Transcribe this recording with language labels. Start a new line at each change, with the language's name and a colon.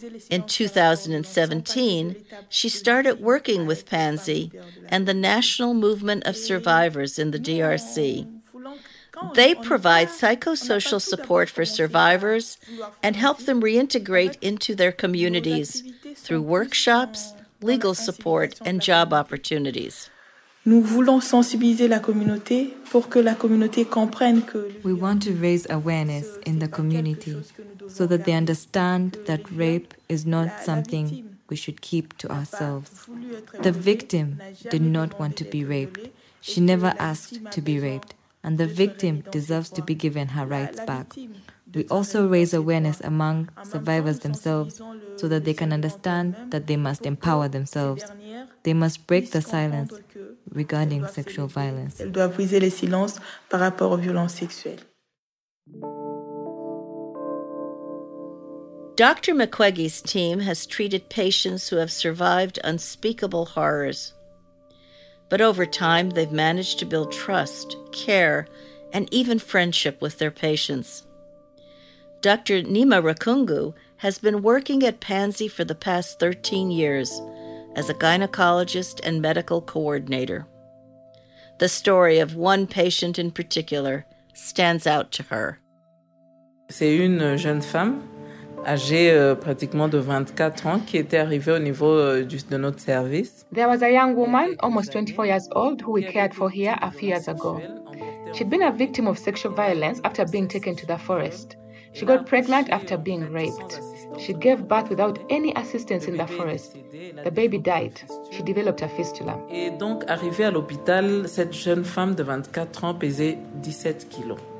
English: In 2017, she started working with Panzi and the National Movement of Survivors in the DRC. They provide psychosocial support for survivors and help them reintegrate into their communities through workshops, legal support, and job opportunities.
French: Nous voulons sensibiliser la communauté pour que la communauté comprenne que.
English: We want to raise awareness in the community so that they understand that rape is not something we should keep to ourselves. The victim did not want to be raped. She never asked to be raped. And the victim deserves to be given her rights back. We also raise awareness among survivors themselves so that they can understand that they must empower themselves. They must break the silence regarding sexual violence.
French: Elles doivent briser le silence par rapport aux violences sexuelles.
English: Dr. Mukwege's team has treated patients who have survived unspeakable horrors. But over time, they've managed to build trust, care, and even friendship with their patients. Dr. Nima Rakungu has been working at Panzi for the past 13 years as a gynecologist and medical coordinator. The story of one patient in particular stands out to her.
French: C'est une jeune femme âgée pratiquement de 24 ans qui était arrivée au niveau de notre service.
English: There was a young woman, almost 24 years old, who we cared for here a few years ago. She'd been a victim of sexual violence after being taken to the forest. She got pregnant after being raped. She gave birth without any assistance in the forest. The baby died. She developed a fistula.
French: Et donc, arrivée à l'hôpital, cette jeune femme de 24 ans pesait 17 kilos.